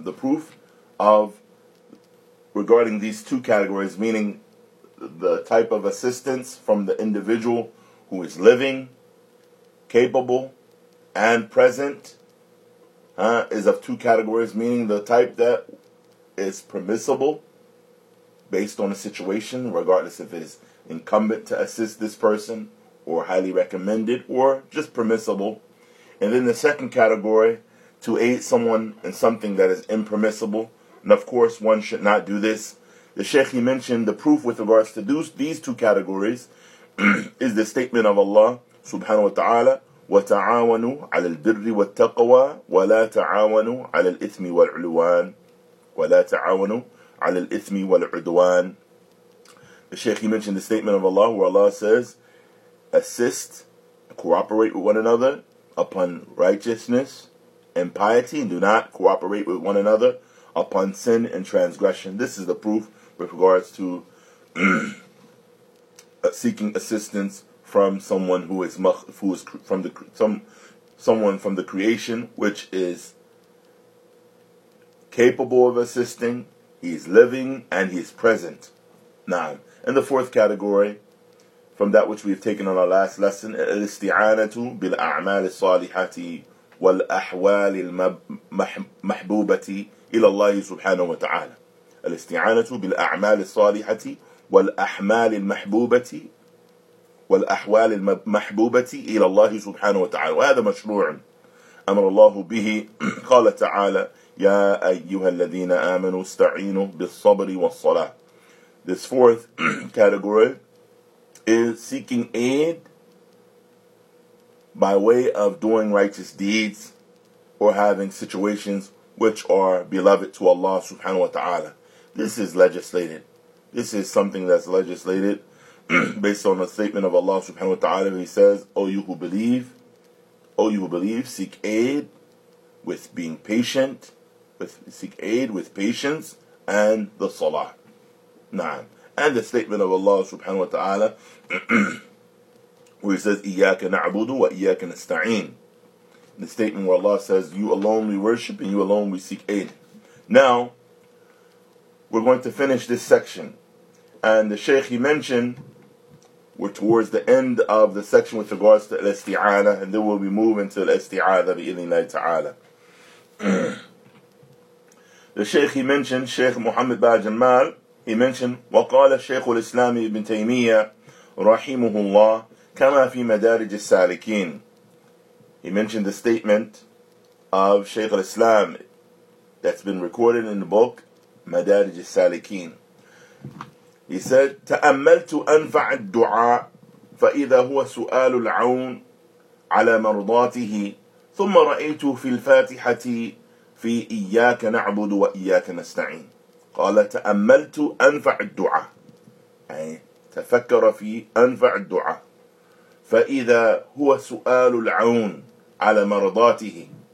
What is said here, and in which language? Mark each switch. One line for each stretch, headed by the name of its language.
English: The proof of regarding these two categories, meaning the type of assistance from the individual who is living, capable, and present, is of two categories, meaning the type that is permissible based on the situation, regardless if it is incumbent to assist this person or highly recommended or just permissible. And then the second category, to aid someone in something that is impermissible. And of course, one should not do this. The Shaykh, he mentioned the proof with regards to these two categories is the statement of Allah subhanahu wa ta'ala,
Arabic: وتعاونوا على البر والتقوى ولا تعاونوا على الإثم والعدوان ولا تعاونوا على الإثم والعدوان.
English: The Sheikh, he mentioned the statement of Allah, where Allah says, assist, cooperate with one another upon righteousness and piety, and do not cooperate with one another upon sin and transgression. This is the proof with regards to seeking assistance from someone who is from the creation, which is capable of assisting, he is living, and he is present. Naam. And the fourth category, from that which we have taken on our last lesson,
Arabic: الاستعانة بالأعمال الصالحة والأحوال المحبوبة إلى الله سبحانه وتعالى. الاستعانة بالأعمال الصالحة والأحمال المحبوبة والأحوال المحبوبة إلى الله سبحانه وتعالى. وهذا مشروع أمر الله به. قال تعالى يا أيها الذين آمنوا استعينوا بالصبر والصلاة.
English: This fourth category is seeking aid by way of doing righteous deeds or having situations which are beloved to Allah subhanahu wa ta'ala. This is legislated. This is something that's legislated based on a statement of Allah subhanahu wa ta'ala. He says, O you who believe, seek aid with being patient, seek aid with patience and the salah. Na'am. And the statement of Allah subhanahu wa ta'ala, where he says,
Arabic: إِيَّاكَ نَعْبُدُ وَإِيَّاكَ نَسْتَعِينَ.
English: The statement where Allah says, you alone we worship and you alone we seek aid. Now, we're going to finish this section. And the Shaykh, he mentioned, we're towards the end of the section with regards to الاستعانة, and then we'll be moving to
Arabic: الاستعاذة بإذن الله تعالى.
English: The Shaykh, he mentioned,
Arabic: Shaykh Muhammad Bajamal, he mentioned, وقال الشيخ الإسلام ابن تيمية رحمه الله كما في مدارج السالكين.
English: He mentioned the statement of Shaykh al-Islam that's been recorded in the book مدارج السالكين. He said,
Arabic: تأملت أنفع الدعاء فإذا هو سؤال العون على مرضاته ثم رأيت في الفاتحة في إياك نعبد وإياك نستعين. قال تأملت أنفع الدعاء أي تفكر في أنفع الدعاء فإذا هو سؤال العون على مرضاته.